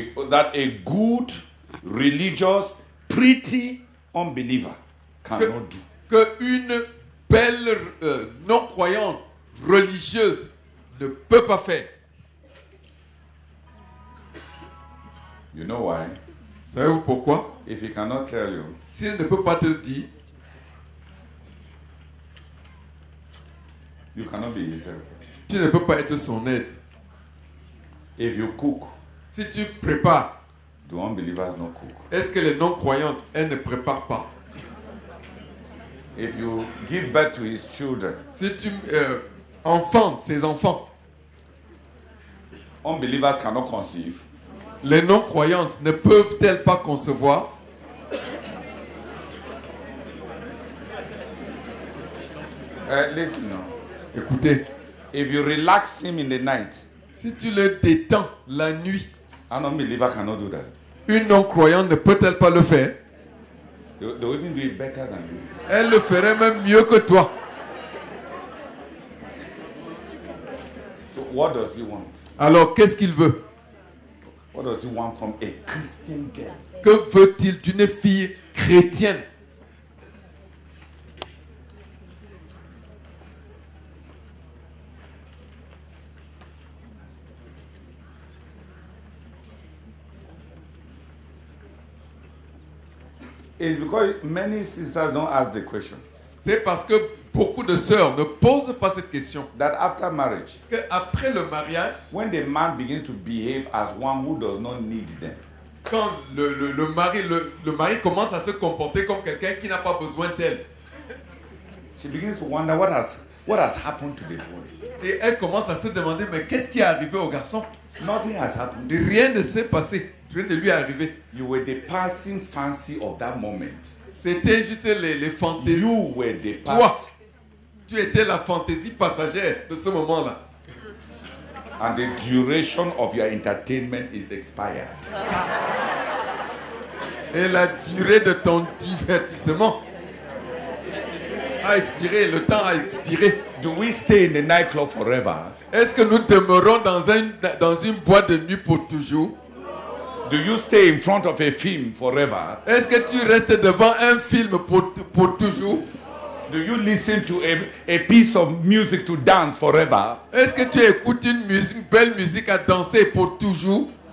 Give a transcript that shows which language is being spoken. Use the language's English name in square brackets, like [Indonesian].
[English] That a good, religious, pretty unbeliever cannot do. [French] Que une belle non-croyante religieuse ne peut pas faire. [English] You know why? [French] Savez-vous pourquoi? [English] If he cannot tell you. [French] Si elle ne peut pas te le dire. [English] You cannot be his helper. [French] Tu ne peux pas être son aide. [English] If you cook. [French] Si tu prépares. [English] Do unbelievers not cook? [French] Est-ce que les non-croyantes, elles ne préparent pas? [English] If you give birth to his children. [French] Si tu enfantes ses enfants. [English] Unbelievers cannot conceive. [French] Les non-croyantes ne peuvent-elles pas concevoir? [English] Listen now. [French] Écoutez, [English] if you relax him in the night, [French] si tu le détends la nuit, [English] an unbeliever cannot do that. [French] Une non-croyante ne peut-elle pas le faire? [English] They will even do it better than you. [French] Elle le ferait même mieux que toi. [English] So what does he want? [French] Alors, qu'est-ce qu'il veut? [English] What does he want from a Christian girl? [French] Que veut-il d'une fille chrétienne? [English] It's because many sisters don't ask the question. [French] C'est parce que beaucoup de sœurs ne posent pas cette question. [English] That after marriage, [French] que après le mariage, [English] when the man begins to behave as one who does not need them, [French] quand le mari commence à se comporter comme quelqu'un qui n'a pas besoin d'elle, [English] she begins to wonder what has happened to the boy. [French] Et elle commence à se demander mais qu'est-ce qui est arrivé au garçon? [English] Nothing has happened. [French] Rien ne s'est passé. Rien de lui est arrivé. [English] You were the passing fancy of that moment. [French] C'était juste les fantaisies. [English] You were the pass. [French] Toi, tu étais la fantaisie passagère de ce moment-là. [English] And the duration of your entertainment is expired. [French] Et la durée de ton divertissement a expiré. Le temps a expiré. [English] Do we stay in the nightclub forever? [French] Est-ce que nous demeurons dans une boîte de nuit pour toujours? [English] Do you stay in front of a film forever? [French] Est-ce que tu restes devant un film pour toujours? [English] Do you listen to a piece of music to dance forever? [French] Est-ce que tu écoutes une musique, belle musique à danser pour toujours?